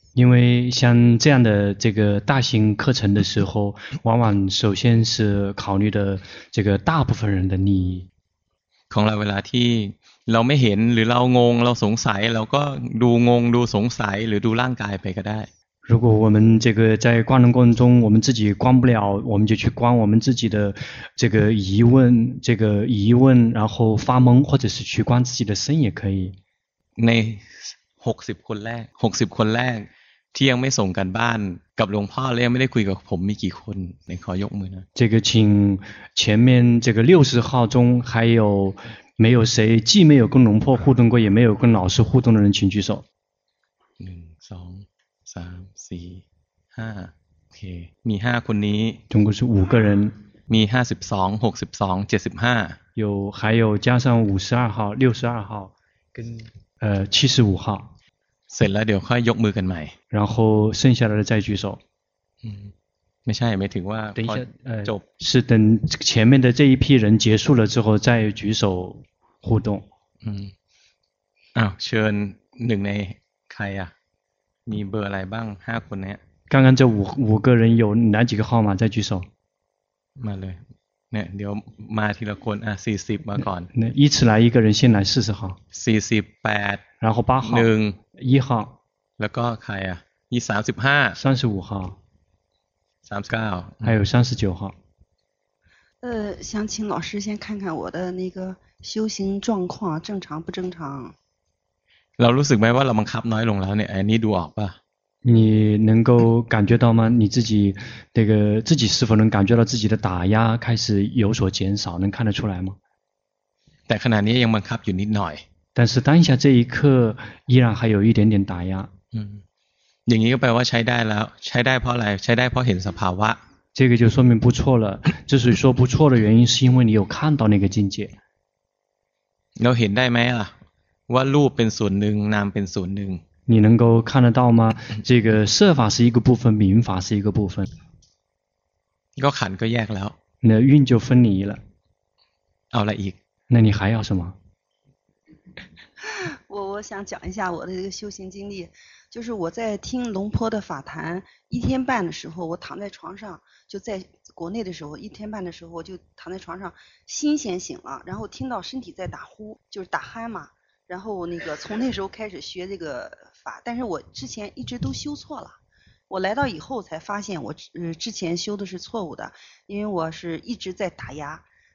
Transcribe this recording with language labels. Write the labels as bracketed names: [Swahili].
[Chinese] 因为像这样的这个大型课程的时候往往首先是考虑的这个大部分人的利益 [Thai] ของเราเวลาที่เราไม่เห็นหรือเรางงเราสงสัยเราก็ดูงงดูสงสัยหรือดูร่างกายไปก็ได้ [Chinese] 如果我们这个在观能过程中我们自己观不了我们就去观我们自己的这个疑问这个疑问然后发懵或者是去观自己的身也可以 [Thai] ใน60คนแรก60คนแรกที่ยังไม่ส่งกันบ้านกับหลวงพ่อแล้วไม่ได้คุยกับผมมีกี่คนในขอยกมือนะ [Chinese] 这个请前面这个60号中还有没有谁既没有跟龙破互动过也没有跟老师互动的人请举手 [Thai] 1 2สามสี่ห้าโอเคมีห้าคนนี้ [Chinese] 总共是五个人 [Thai] มี52 62 75 [Chinese] 有还有加上52号62号跟75号 [Thai] เสร็จแล้วเดี๋ยวค่อยยกมือกันใหม่ [Chinese] 然后剩下的再举手 [Thai] ไม่ใช่ไม่ถึงว่า พอ จบ [Chinese] 是等前面的这一批人结束了之后再举手互动 [Thai] อ้าวเชิญหนึ่งในใครอ่ะมีเบอร์อะไรบ้างห้าคนเนี้ย [Chinese] 刚刚这五个人有哪几个号码在举手 [Thai] มาเลยเนี่ยเดี๋ยวมาทีละคนอ่ะ40มาก่อน [Chinese] 依次来一个人先来40号 48 然后8号 1 1号 [Thai] แล้วก็ใครอ่ะ35 [Chinese] 35号 39 还有39号想请老师先看看我的那个修行状况正常不正常 [Thai] เรารู้สึกไหมว่าเราบังคับน้อยลงแล้วเนี่ยอันนี้ดูออกป่ะ [Chinese] 你能够感觉到吗你自己这个自己是否能感觉到自己的打压开始有所减少能看得出来吗 [Thai] แต่ขณะนี้ยังบังคับอยู่นิดหน่อย [Chinese] 但是当下这一刻依然还有一点点打压 [Thai] อย่างนี้ก็แปลว่าใช้ได้แล้วใช้ได้เพราะอะไรใช้ได้เพราะเห็นสภาวะ [Chinese] 这个就说明不错了之所以说不错的原因是因为你有看到那个境界 [Thai] เราเห็นได้ไหมล่ะว่ารูปเป็นส่วนหนึ่งนามเป็นส่วนหนึ่ง [Chinese] 你能够看得到吗这个色法是一个部分名法是一个部分 [Thai] ก็ขันก็แยกแล้ว [Chinese] 那运就分离了 [Thai] เอาอะไรอีก [Chinese] 那你还要什么我想讲一下我的这个修行经历就是我在听龙坡的法坛一天半的时候我躺在床上就在国内的时候一天半的时候我就躺在床上心先醒了然后听到身体在打呼就是打鼾嘛然后那个从那时候开始学这个法但是我之前一直都修错了我来到以后才发现我之前修的是错误的因为我是一直在打压